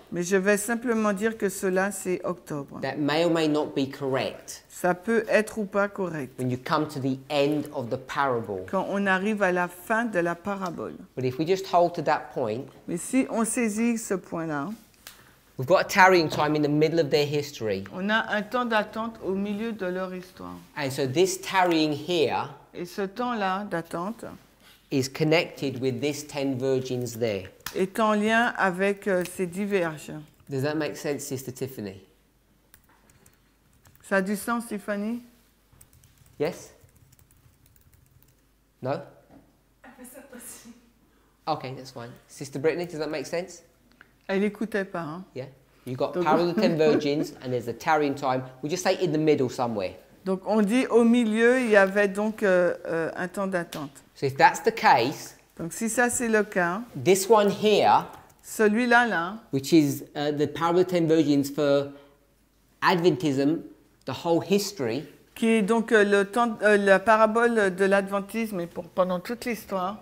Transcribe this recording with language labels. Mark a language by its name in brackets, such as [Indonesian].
[French] Mais je vais simplement dire que cela, c'est octobre. [English] That may or may not be correct. [French] Ça peut être ou pas correct. [English] When you come to the end of the parable. [French] Quand on arrive à la fin de la parabole. [English] But if we just hold to that point. [French] Mais si on saisit ce point-là. [English] We've got a tarrying time in the middle of their history. [French] On a un temps d'attente au milieu de leur histoire. [English] And so this tarrying here. [French] Et ce temps-là d'attente [English] is connected with these 10 virgins there. [French] Est en lien avec ces 10 vierges. [English] Does that make sense, Sister Tiffany? [French] Ça a du sens, Tiffany? [English] Yes? No? Okay, that's fine. Sister Brittany, does that make sense? [French] Elle écoutait pas, hein? [English] Yeah. You got power of the 10 virgins and there's a tarrying time. We just say in the middle somewhere. [French] Donc on dit au milieu, il y avait donc un temps d'attente. [English] So if that's the case, [French] donc si ça c'est le cas, [English] this one here, [French] celui-là là, [English] which is the parable of the 10 virgins for Adventism, the whole history, [French] qui est donc le temps, la parabole de l'adventisme et pour, pendant toute l'histoire.